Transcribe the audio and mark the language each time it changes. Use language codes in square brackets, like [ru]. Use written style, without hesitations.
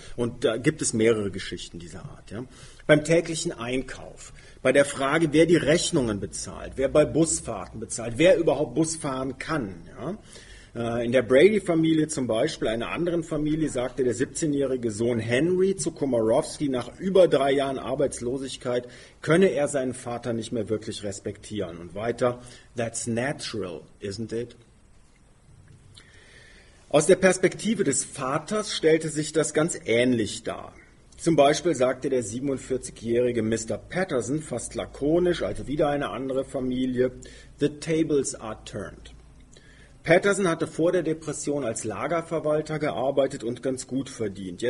[de] Und da gibt es mehrere Geschichten dieser Art, ja. Beim täglichen Einkauf, bei der Frage, wer die Rechnungen bezahlt, wer bei Busfahrten bezahlt, wer überhaupt Bus fahren kann. Ja? In der Brady-Familie zum Beispiel, einer anderen Familie, sagte der 17-jährige Sohn Henry zu Komorowski, nach über 3 Jahren Arbeitslosigkeit könne er seinen Vater nicht mehr wirklich respektieren. Und weiter, [en] that's natural, isn't it? [de] Aus der Perspektive des Vaters stellte sich das ganz ähnlich dar. Zum Beispiel sagte der 47-jährige Mr. Patterson fast lakonisch, also wieder eine andere Familie, [en] the tables are turned. [de] Patterson hatte vor der Depression als Lagerverwalter gearbeitet und ganz gut verdient.